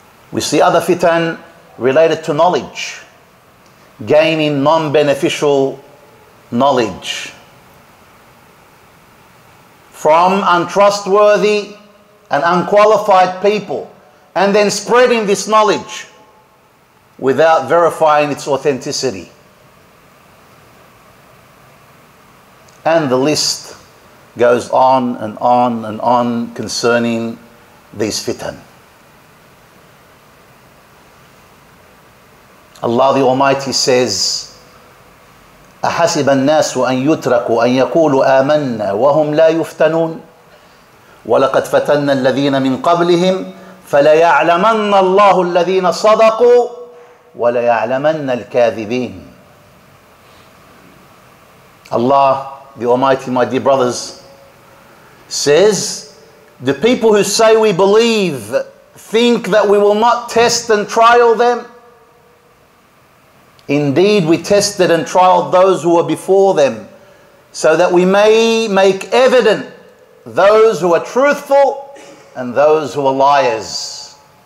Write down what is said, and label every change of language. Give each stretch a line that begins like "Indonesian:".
English: We see other fitan related to knowledge, gaining non-beneficial knowledge from untrustworthy and unqualified people, and then spreading this knowledge without verifying its authenticity. And the list goes on and on and on concerning these fitan. Allah the Almighty says,
Arabic: أَحَسِبَ النَّاسُ أَن يُتْرَكُوا أَن يَقُولُوا آمَنَّا وَهُمْ لَا يُفْتَنُونَ وَلَقَدْ فَتَنَّا الَّذِينَ مِنْ قَبْلِهِمْ فَلَيَعْلَمَنَّ اللَّهُ الَّذِينَ صَدَقُوا وَلَيَعْلَمَنَّ الْكَاذِبِينَ.
English: Allah the Almighty, my dear brothers, says, the people who say we believe think that we will not test and trial them. Indeed, we tested and trialed those who were before them, so that we may make evident those who are truthful and those who are liars.